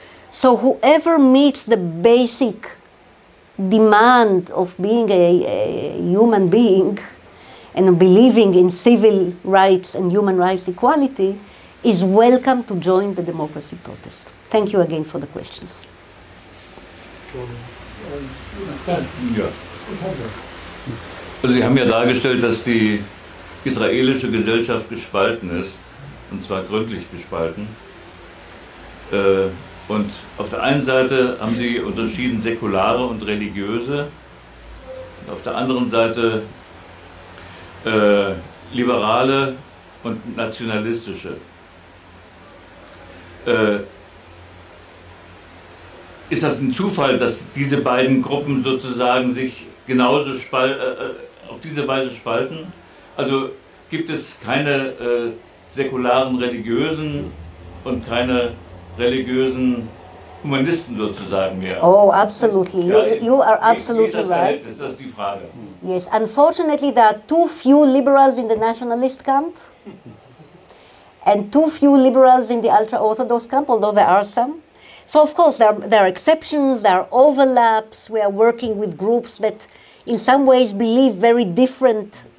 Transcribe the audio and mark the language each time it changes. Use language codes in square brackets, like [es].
[en] So whoever meets the basic demand of being a human being and believing in civil rights and human rights equality is welcome to join the democracy protest. Thank you again for the questions. [de] Also, Sie haben ja dargestellt, dass die israelische Gesellschaft gespalten ist, und zwar gründlich gespalten. Und auf der einen Seite haben Sie unterschieden säkulare und religiöse, und auf der anderen Seite liberale und nationalistische. Ist das ein Zufall, dass diese beiden Gruppen sozusagen sich genauso auf diese Weise spalten? Also gibt es keine säkularen Religiösen und keine religiösen Humanisten sozusagen mehr? [en] Oh, absolutely. You are absolutely right. [de] Wie ist das Verhältnis? Das ist die Frage. [en] Yes, unfortunately there are too few liberals in the nationalist camp and too few liberals in the ultra-orthodox camp, although there are some. So, of course, there are exceptions, there are overlaps. We are working with groups that in some ways believe very different